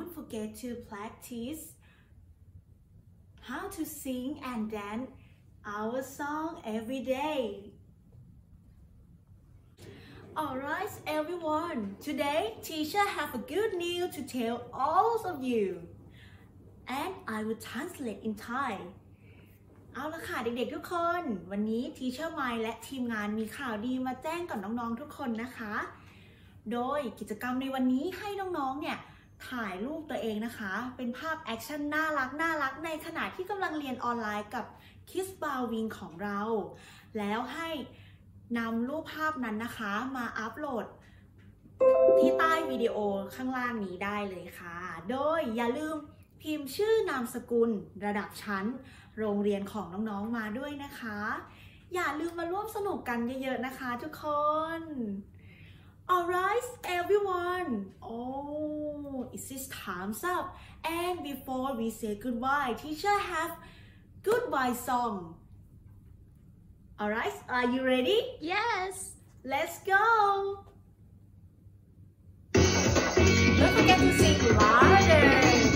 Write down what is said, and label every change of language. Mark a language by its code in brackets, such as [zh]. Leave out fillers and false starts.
[en] Get to practice how to sing and dance our song every day. All right, everyone. Today, teacher have a good news to tell all of you. And I will translate in Thai. [th] เอาละค่ะเด็กๆทุกคนวันนี้ teacher Mai และทีมงานมีข่าวดีมาแจ้งกับน้องๆทุกคนนะคะโดยกิจกรรมในวันนี้ให้น้องๆเนี่ยถ่ายรูปตัวเองนะคะเป็นภาพแอคชั่นน่ารักน่ารักในขณะที่กำลังเรียนออนไลน์กับคิสบาวิงของเราแล้วให้นำรูปภาพนั้นนะคะมาอัปโหลด ที่ใต้วิดีโอข้างล่างนี้ได้เลยค่ะโดยอย่าลืมพิมพ์ชื่อนามสกุลระดับชั้นโรงเรียนของน้องๆมาด้วยนะคะอย่าลืมมาร่วมสนุกกันเยอะๆนะคะทุกคน [en] Alright, everyone. Oh, it is time's up. And before we say goodbye, teacher have goodbye song. Alright, are you ready? Yes. Let's go. Don't forget to sing louder.